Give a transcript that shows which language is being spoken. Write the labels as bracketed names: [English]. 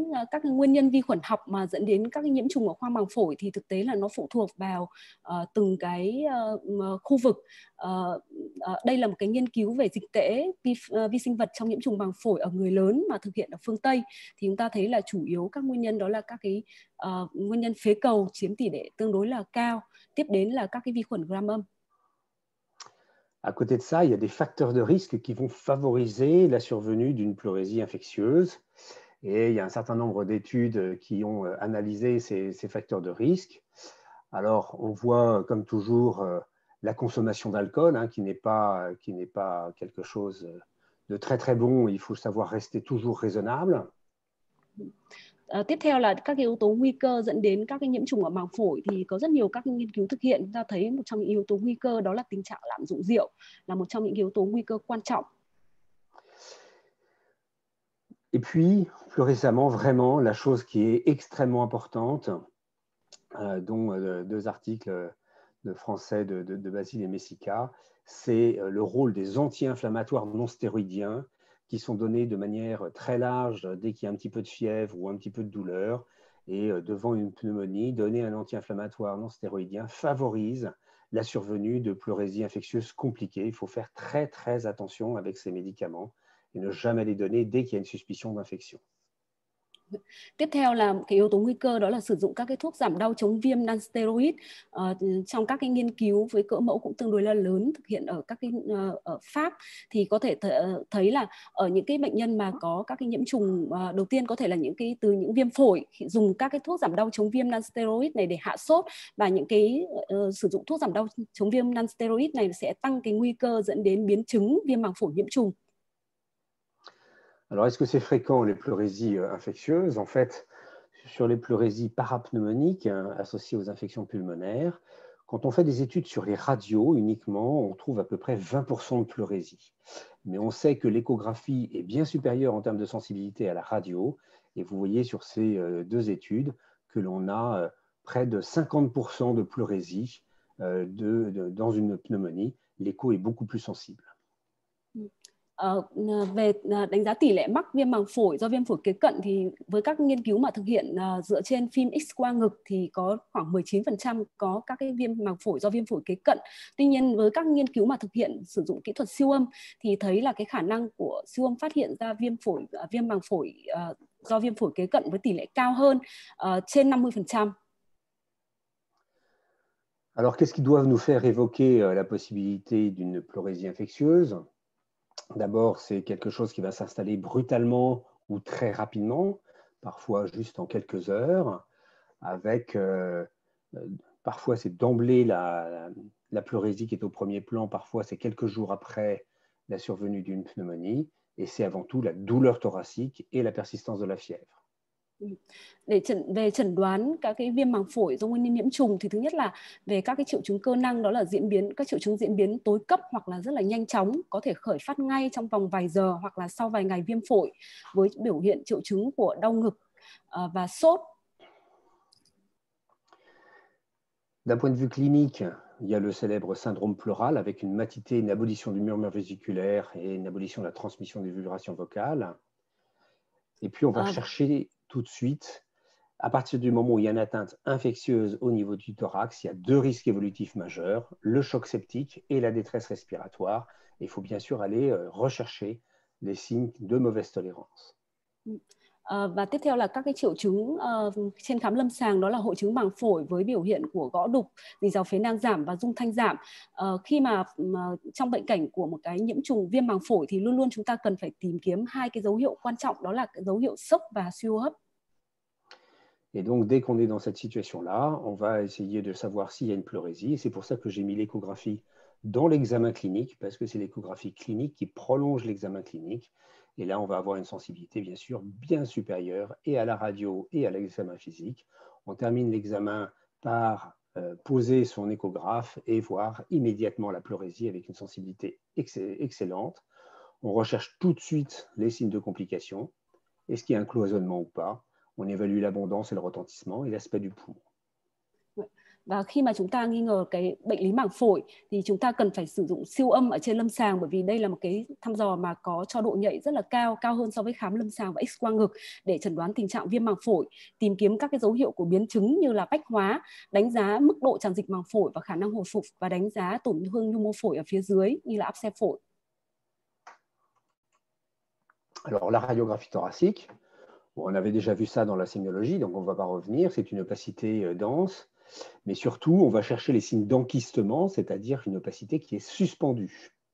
[Vietnamese] Các nguyên nhân vi khuẩn học mà dẫn đến các nhiễm trùng ở khoang màng phổi thì thực tế là nó phụ thuộc vào từng cái khu vực. Đây là một cái nghiên cứu về dịch tễ vi sinh vật trong nhiễm trùng màng phổi ở người lớn mà thực hiện ở phương Tây. Thì chúng ta thấy là chủ yếu các nguyên nhân đó là các cái nguyên nhân phế cầu chiếm tỷ lệ tương đối là cao. Tiếp đến là các cái vi khuẩn gram âm. [French] À côté de ça, il y a des facteurs de risque qui vont favoriser la survenue d'une pleurésie infectieuse. Et il y a un certain nombre d'études qui ont analysé ces facteurs de risque. Alors, on voit, comme toujours, la consommation d'alcool, hein, qui n'est pas quelque chose de très, très bon. Il faut savoir rester toujours raisonnable. [Vietnamese] Tiếp theo là các yếu tố nguy cơ dẫn đến các nhiễm trùng ở màng phổi thì có rất nhiều các nghiên cứu thực hiện, chúng ta thấy một trong những yếu tố nguy cơ đó là tình trạng lạm dụng rượu là một trong những yếu tố nguy cơ quan trọng. [French] Et puis, plus récemment, vraiment, la chose qui est extrêmement importante, dont deux articles de français de Basile et Messica, c'est le rôle des anti-inflammatoires non stéroïdiens qui sont donnés de manière très large dès qu'il y a un petit peu de fièvre ou un petit peu de douleur. Et devant une pneumonie, donner un anti-inflammatoire non stéroïdien favorise la survenue de pleurésie infectieuse compliquée. Il faut faire très, très attention avec ces médicaments et ne jamais les donner dès qu'il y a une suspicion d'infection. [Vietnamese] Tiếp theo là cái yếu tố nguy cơ đó là sử dụng các cái thuốc giảm đau chống viêm non steroid trong các cái nghiên cứu với cỡ mẫu cũng tương đối là lớn thực hiện ở các cái ở Pháp thì có thể thấy là ở những cái bệnh nhân mà có các cái nhiễm trùng đầu tiên có thể là những cái từ những viêm phổi dùng các cái thuốc giảm đau chống viêm non steroid này để hạ sốt và những cái sử dụng thuốc giảm đau chống viêm non steroid này sẽ tăng cái nguy cơ dẫn đến biến chứng viêm màng phổi nhiễm trùng. [French] Alors, est-ce que c'est fréquent les pleurésies infectieuses? En fait, sur les pleurésies parapneumoniques associées aux infections pulmonaires, quand on fait des études sur les radios uniquement, on trouve à peu près 20% de pleurésie. Mais on sait que l'échographie est bien supérieure en termes de sensibilité à la radio. Et vous voyez sur ces deux études que l'on a près de 50% de pleurésie dans une pneumonie. L'écho est beaucoup plus sensible. [Vietnamese] Về đánh giá tỷ lệ mắc viêm màng phổi do viêm phổi kế cận thì với các nghiên cứu mà thực hiện dựa trên phim X quang ngực thì có khoảng 19% có các cái viêm màng phổi do viêm phổi kế cận. Tuy nhiên với các nghiên cứu mà thực hiện sử dụng kỹ thuật siêu âm thì thấy là cái khả năng của siêu âm phát hiện ra viêm màng phổi do viêm phổi kế cận với tỷ lệ cao hơn trên 50%. [French] Alors qu'est-ce qui doit nous faire évoquer la possibilité d'une pleurésie infectieuse? D'abord, c'est quelque chose qui va s'installer brutalement ou très rapidement, parfois juste en quelques heures, avec parfois c'est d'emblée la pleurésie qui est au premier plan, parfois c'est quelques jours après la survenue d'une pneumonie, et c'est avant tout la douleur thoracique et la persistance de la fièvre. [Vietnamese] Về chẩn đoán các cái viêm màng phổi do nguyên nhân nhiễm trùng thì thứ nhất là về các cái triệu chứng cơ năng đó là các triệu chứng diễn biến tối cấp hoặc là rất là nhanh chóng có thể khởi phát ngay trong vòng vài giờ hoặc là sau vài ngày viêm phổi với biểu hiện triệu chứng của đau ngực và sốt. [French] D'un point de vue clinique, il y a le célèbre syndrome pleural avec une matité, une abolition du murmure vésiculaire et une abolition de la transmission des vulvurations vocales. Et puis on va chercher tout de suite, à partir du moment où il y a une atteinte infectieuse au niveau du thorax, il y a deux risques évolutifs majeurs, le choc septique et la détresse respiratoire. Il faut bien sûr aller rechercher les signes de mauvaise tolérance. [Vietnamese] Và tiếp theo là các cái triệu chứng trên khám lâm sàng đó là hội chứng màng phổi với biểu hiện của gõ đục, dì dào phế nang giảm và rung thanh giảm. Khi mà trong bệnh cảnh của một cái nhiễm trùng viêm màng phổi thì luôn luôn chúng ta cần phải tìm kiếm hai cái dấu hiệu quan trọng đó là dấu hiệu sốc và suy hô hấp. [French] Et donc dès qu'on est dans cette situation là, on va essayer de savoir s'il y a une pleurésie. Et c'est pour ça que j'ai mis l'échographie dans l'examen clinique parce que c'est l'échographie clinique qui prolonge l'examen clinique. Et là, on va avoir une sensibilité, bien sûr, bien supérieure et à la radio et à l'examen physique. On termine l'examen par poser son échographe et voir immédiatement la pleurésie avec une sensibilité excellente. On recherche tout de suite les signes de complications. Est-ce qu'il y a un cloisonnement ou pas? On évalue l'abondance et le retentissement et l'aspect du poumon. [Vietnamese] Và khi mà chúng ta nghi ngờ cái bệnh lý màng phổi thì chúng ta cần phải sử dụng siêu âm ở trên lâm sàng bởi vì đây là một cái thăm dò mà có cho độ nhạy rất là cao, cao hơn so với khám lâm sàng và X quang ngực để chẩn đoán tình trạng viêm màng phổi, tìm kiếm các cái dấu hiệu của biến chứng như là bách hóa, đánh giá mức độ tràn dịch màng phổi và khả năng hồi phục và đánh giá tổn thương nhu mô phổi ở phía dưới như là áp xe phổi. [French] Alors la radiographie thoracique, on avait déjà vu ça dans la sémiologie, donc on va pas revenir, c'est une opacité dense. Mais surtout, on va chercher les signes d'enkystement, c'est-à-dire une opacité qui est suspendue.